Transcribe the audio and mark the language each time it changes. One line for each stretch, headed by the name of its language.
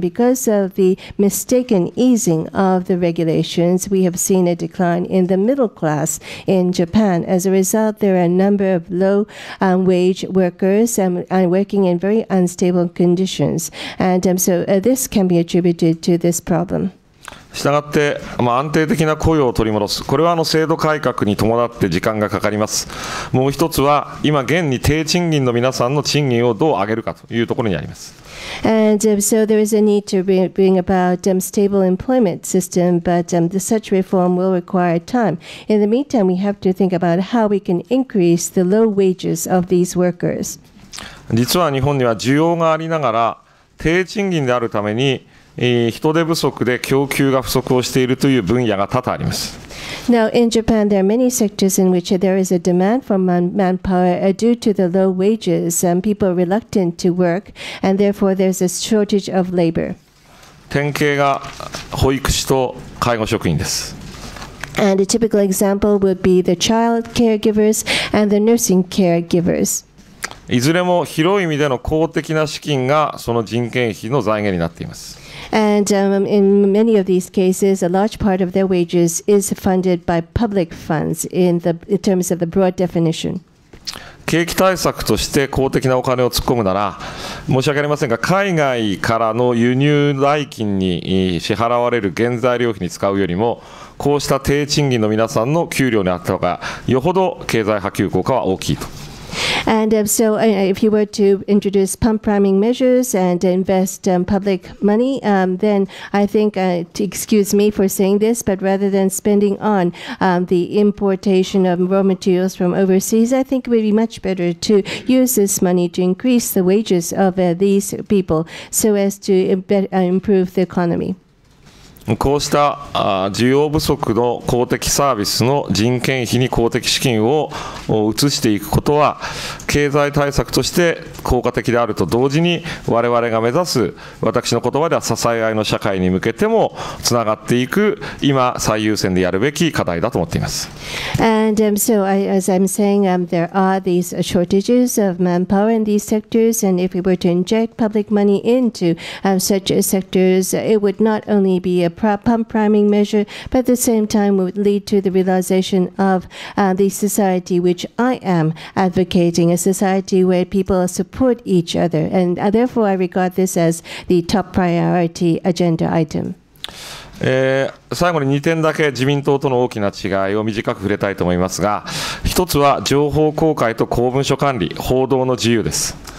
English: Because of the mistaken easing of the regulations, we have seen a decline in the middle class in Japan. As a result, there are a number of low wage workers and working in very unstable conditions. And so this can be attributed to this problem.
Japanese: したがって、安定的な雇用を取り戻す、これは制度改革に伴って時間がかかります。もう一つは、今現に低賃金の皆さんの賃金をどう上げるかというところにあります。
English: And so there is a need to bring about stable employment system, but such reform will require time. In the meantime, we have to think about how we can increase the low wages of these workers.
Japanese: 実は日本には需要がありながら、低賃金であるために、人手不足で供給が不足をしているという分野が多々あります。
English: Now, in Japan, there are many sectors in which there is a demand for manpower due to the low wages. People are reluctant to work, and therefore there's a shortage of labor.
Japanese: 典型が保育士と介護職員です。
English: And a typical example would be the child caregivers and the nursing caregivers.
Japanese: いずれも広い意味での公的な資金がその人件費の財源になっています。
English: And in many of these cases, a large part of their wages is funded by public funds in terms of the broad definition.
Japanese: 景気対策として公的なお金を突っ込むなら、申し訳ありませんが、海外からの輸入代金に支払われる原材料費に使うよりも、こうした低賃金の皆さんの給料にあった方が、よほど経済波及効果は大きいと。
English: And so if you were to introduce pump priming measures and invest public money, then I think, excuse me for saying this, but rather than spending on the importation of raw materials from overseas, I think it would be much better to use this money to increase the wages of these people so as to improve the economy.
Japanese: こうした需要不足の公的サービスの人件費に公的資金を移していくことは経済対策として効果的であると同時に我々が目指す私の言葉では支え合いの社会に向けてもつながっていく今最優先でやるべき課題だと思っています。
English: And so as I'm saying there are these shortages of manpower in these sectors and if we were to inject public money into such sectors it would not only beA pump priming measure, but at the same time would lead to the realization of the society which I am advocating, a society where people support each other. And therefore, I regard this as the top priority agenda item.
Japanese: 最後に2点だけ自民党との大きな違いを短く触れたいと思いますが、一つは情報公開と公文書管理、報道の自由です。